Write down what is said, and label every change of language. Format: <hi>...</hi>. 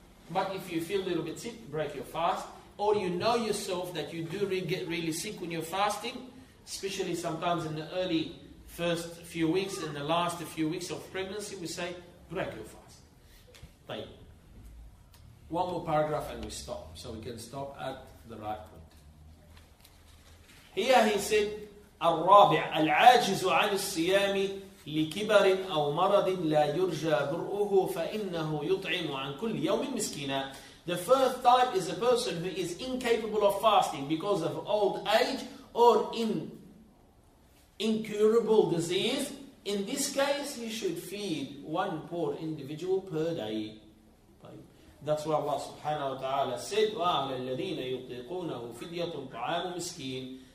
<en>But if you feel a little bit sick, break your fast. Or you know yourself that you do get really sick when you're fasting. Especially sometimes in the early first few weeks and the last few weeks of pregnancy, we say, break your fast.</en> <ar>طيب.</ar> <en>One more paragraph and we stop. So we can stop at the right point. Here he said,</en> <ar>الرابع العاجز عن الصيام لكبر أو مرض لا يرجى برؤه فإنه يطعم عن كل يوم مسكينا.</ar> <en>The first type is a person who is incapable of fasting because of old age or incurable disease. In this case, you should feed one poor individual per day. That's why Allah subhanahu wa ta'ala said,</en> <ar>وَعَلَى الَّذِينَ يُطِيقُونَهُ فِدْيَةٌ طَعَامُ مِسْكِينَ.</ar>